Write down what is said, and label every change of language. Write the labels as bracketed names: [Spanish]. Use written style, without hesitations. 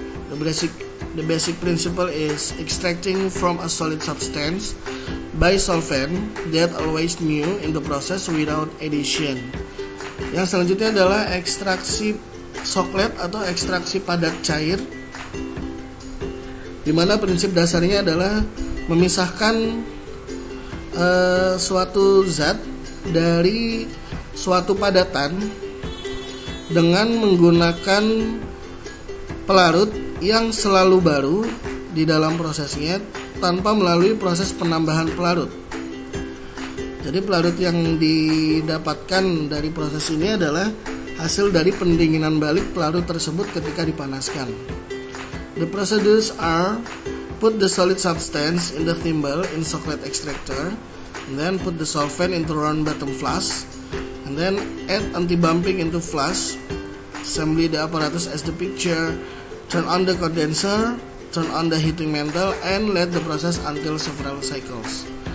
[English] The basic principle is extracting from a solid substance by solvent that always new in the process without addition. [Indonesian] Yang selanjutnya adalah ekstraksi socklet atau ekstraksi padat cair, di mana prinsip dasarnya adalah memisahkan suatu zat dari suatu padatan dengan menggunakan pelarut yang selalu baru di dalam prosesnya tanpa melalui proses penambahan pelarut. Jadi pelarut yang didapatkan dari proses ini adalah hasil dari pendinginan balik pelarut tersebut ketika dipanaskan. [English] The procedures are: put the solid substance in the thimble in socklet extractor, and then put the solvent into round bottom flask, and then add anti-bumping into flask, assembly the apparatus as the picture, turn on the condenser, turn on the heating mantle, and let the process until several cycles.